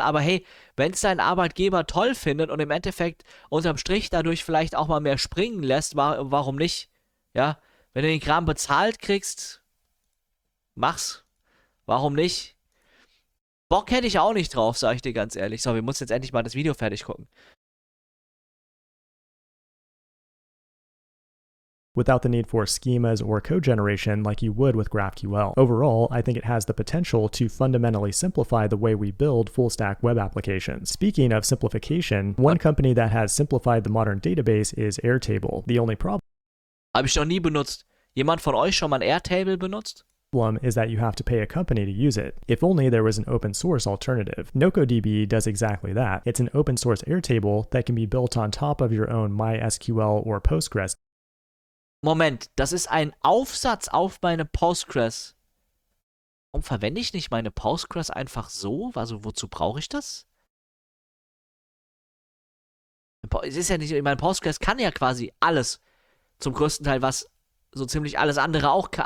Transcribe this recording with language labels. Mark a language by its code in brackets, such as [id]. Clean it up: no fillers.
[de] Aber hey, wenn es dein Arbeitgeber toll findet und im Endeffekt unterm Strich dadurch vielleicht auch mal mehr springen lässt, warum nicht? Ja, wenn du den Kram bezahlt kriegst, mach's. Warum nicht? Bock hätte ich auch nicht drauf, sage ich dir ganz ehrlich. So, wir müssen jetzt endlich mal das Video fertig gucken. [en] Without the need for schemas or code generation like you would with GraphQL. Overall, I think it has the potential to fundamentally simplify the way we build full-stack web applications. Speaking of simplification, one company that has simplified the modern database is Airtable. The only problem [de] Habe ich noch nie benutzt. Jemand von euch schon mal ein Airtable benutzt? [en] Is that you have to pay a company to use it. If only there was an open source alternative. NocoDB does exactly that. It's an open source Airtable that can be built on top of your own MySQL or Postgres. [de] Moment, das ist ein Aufsatz auf meine Postgres. Warum verwende ich nicht meine Postgres einfach so? Also wozu brauche ich das? Es ist ja nicht, mein Postgres kann ja quasi alles. Zum größten Teil, was so ziemlich alles andere auch kann.